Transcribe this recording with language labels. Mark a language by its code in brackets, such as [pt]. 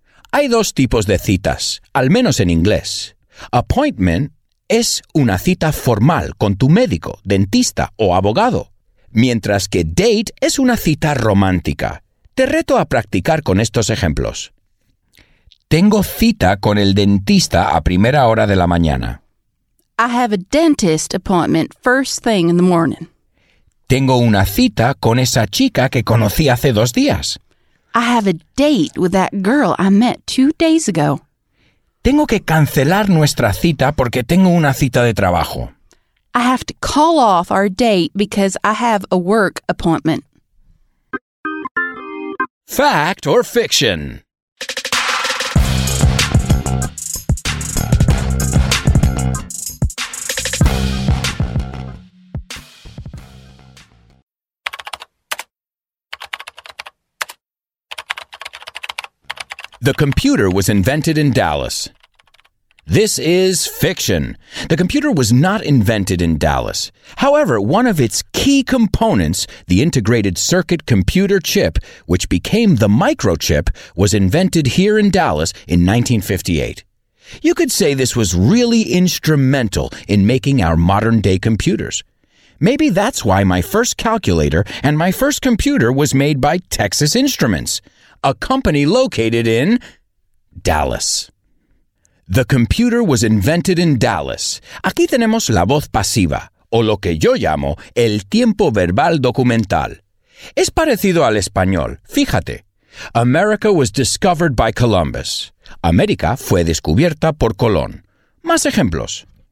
[es] Hay dos tipos de citas, al menos en inglés. Appointment es una cita formal con tu médico, dentista o abogado, mientras que date es una cita romántica. Te reto a practicar con estos ejemplos. Tengo cita con el dentista a primera hora de la mañana. [en] I have a dentist appointment first thing in the morning. [es] Tengo una cita con esa chica que conocí hace 2 días. [en] I have a date with that girl I met 2 days ago. [es] Tengo que cancelar nuestra cita porque tengo una cita de trabajo. [en] I have to call off our date because I have a work appointment. Fact or fiction? The computer was invented in Dallas. This is fiction. The computer was not invented in Dallas. However, one of its key components, the integrated circuit computer chip, which became the microchip, was invented here in Dallas in 1958. You could say this was really instrumental in making our modern-day computers. Maybe that's why my first calculator and my first computer was made by Texas Instruments, a company located in Dallas. The computer was invented in Dallas. [es] Aquí tenemos la voz pasiva, o lo que yo llamo el tiempo verbal documental. Es parecido al español, fíjate. [en] America was discovered by Columbus. [es] América fue descubierta por Colón. Más ejemplos.